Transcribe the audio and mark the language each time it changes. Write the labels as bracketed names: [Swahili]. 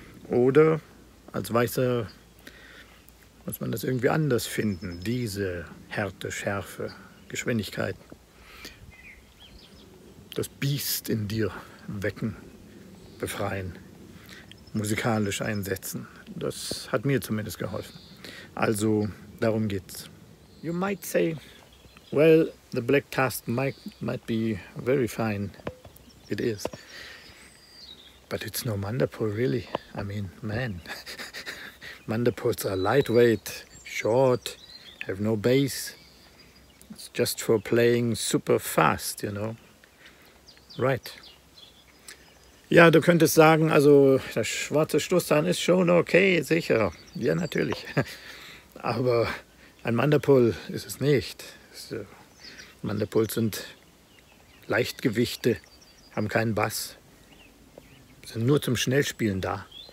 [German] Oder als Weißer muss man das irgendwie anders finden, diese Härte, Schärfe, Geschwindigkeit, das Biest in dir wecken, befreien, musikalisch einsetzen. Das hat mir zumindest geholfen. Also, darum geht's. [English] You might say, well, the black cast might be very fine. It is. But it's no Manderpool, really. I mean, man. Manderpools are lightweight, short, have no bass. It's just for playing super fast, you know. Right. [German] Ja, du könntest sagen, also der schwarze Stoßzahn ist schon okay, sicher. Ja, natürlich. Aber ein Manderpool ist es nicht. Manderpools sind Leichtgewichte, haben keinen Bass, sind nur zum Schnellspielen da.